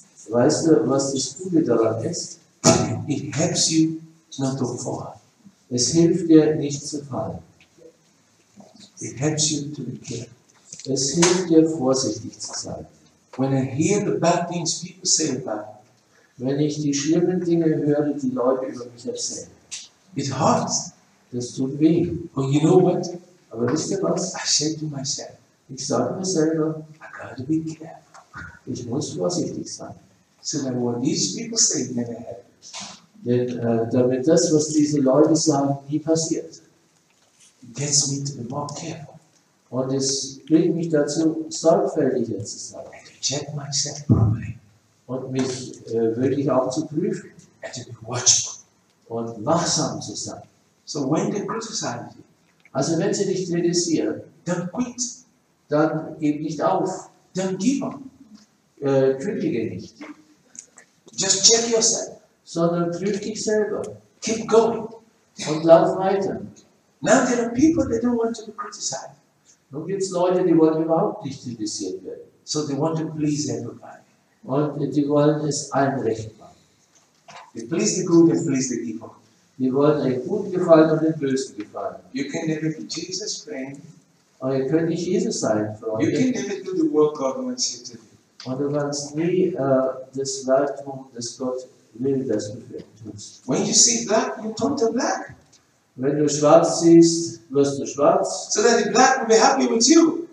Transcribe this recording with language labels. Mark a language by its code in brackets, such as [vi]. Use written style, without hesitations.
[de] Weißt du, was das Gute daran ist? [en] It helps you not to fall. [de] Es hilft dir, nicht zu fallen. [en] It helps you to be careful. [de] Es hilft dir, vorsichtig zu sein. [en] When I hear the bad things people say about me, [de] wenn ich die schlimmen Dinge höre, die Leute über mich erzählen, [en] it hurts. [de] Das tut weh. [en] But you know what? [de] Aber wisst ihr was? [en] I said to myself, [de] ich sage mir selber, [en] I gotta be careful. [de] Ich muss vorsichtig sein. [en] So that what these people say never happens. [de] Denn damit das, was diese Leute sagen, nie passiert. [en] It gets me to be more careful. [de] Und es bringt mich dazu, sorgfältiger zu sein. [en] And to check myself properly. [de] Und mich wirklich auch zu prüfen. [en] And to be watchful. [de] Und wachsam zu sein. [en] So when they criticize you, [de] also wenn sie dich kritisieren, [en] don't quit. [de] Dann gib nicht auf. [en] Don't give up. [de] Kündige nicht. [en] Just check yourself. [de] Sondern prüf dich selber. [en] Keep going. [de] Und lauf weiter. [en] Now there are people that don't want to be criticized. [de] Nun gibt es Leute, die wollen überhaupt nicht kritisiert werden. [en] So they want to please everybody. [de] Und die wollen es allen recht machen. [en] They please the good and please the evil. [de] Die wollen den Guten gefallen und den Bösen gefallen. [en] You can never be Jesus' friend. [de] Und ihr könnt nicht Jesus sein, Freunde. [en] You can never do the work God wants you to do. [de] Und du kannst nie das Werk tun, das Gott will, dass du tust. [en] When you see black, you turn to black. [de] Wenn du schwarz siehst, wirst du schwarz. So that the black will be happy with you.